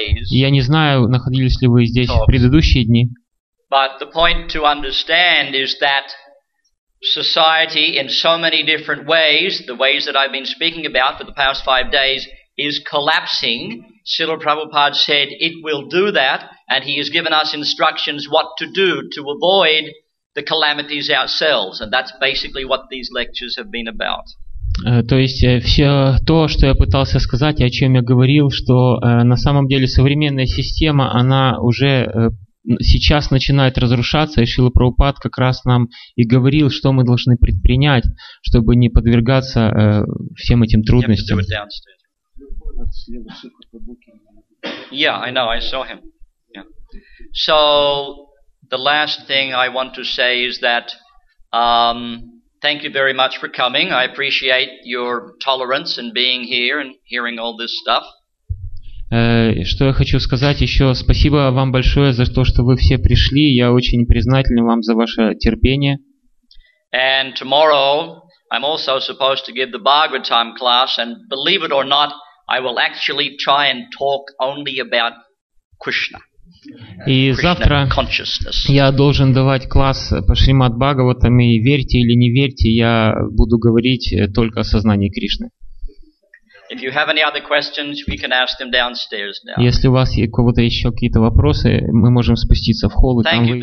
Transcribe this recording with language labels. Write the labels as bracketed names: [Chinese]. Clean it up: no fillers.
[Russian] Я не знаю, находились ли вы здесь в предыдущие дни. [English] But the point to understand is that. Society in so many different ways, the ways that I've been speaking about for the past 5 days, is collapsing. Srila Prabhupada said it will do that, and he has given us instructions what to do to avoid the calamities ourselves, and that's basically what these lectures have been about. [Russian] То есть все то, что я пытался сказать, о чем я говорил, что на самом деле современная система, она уже сейчас начинает разрушаться, и Шрила Прабхупада как раз нам и говорил, что мы должны предпринять, чтобы не подвергаться всем этим трудностям. [English] Yeah, I know, I saw him. Yeah. So, the last thing I want to say is that thank you very much for coming. I appreciate your tolerance and being here and hearing all this stuff. [Russian] Что я хочу сказать еще, спасибо вам большое за то, что вы все пришли. Я очень признателен вам за ваше терпение. [English] And tomorrow I'm also supposed to give the Bhagavatam class, and believe it or not, I will actually try and talk only about Krishna. [Russian] И завтра я должен давать класс по Шримад Бхагаватам, и верьте или не верьте, я буду говорить только о сознании Кришны. [English] If you have any other questions, we can ask them downstairs now. [Russian] Если у вас есть какие-то вопросы, мы можем спуститься в холл и там вы...